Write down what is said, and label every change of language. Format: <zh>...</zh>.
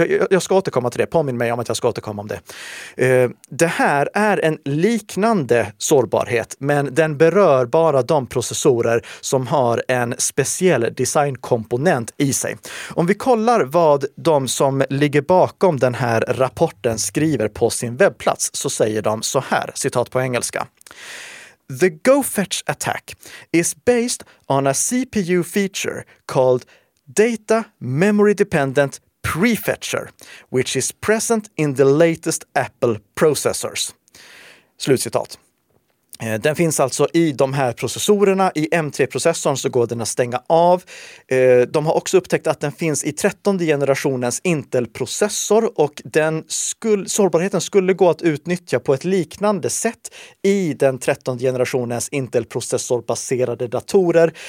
<sv>Jag ska återkomma till det. Påminn mig om att jag ska återkomma om det. Det här är en liknande sårbarhet, men den berör bara de processorer som har en speciell designkomponent i sig. Om vi kollar vad de som ligger bakom den här rapporten skriver på sin webbplats, så säger de så här, citat på engelska.</sv> <en>The GoFetch attack is based on a CPU feature called Data Memory Dependent Prefetcher, which is present in the latest Apple processors.</en> <sv>Slutcitat. Den finns alltså i de här processorerna. I M3-processorn så går den att stänga av. De har också upptäckt att den finns i 13:e generationens Intel-processor, och den sårbarheten skulle gå att utnyttja på ett liknande sätt i den 13:e generationens Intel-processorbaserade datorer.</sv>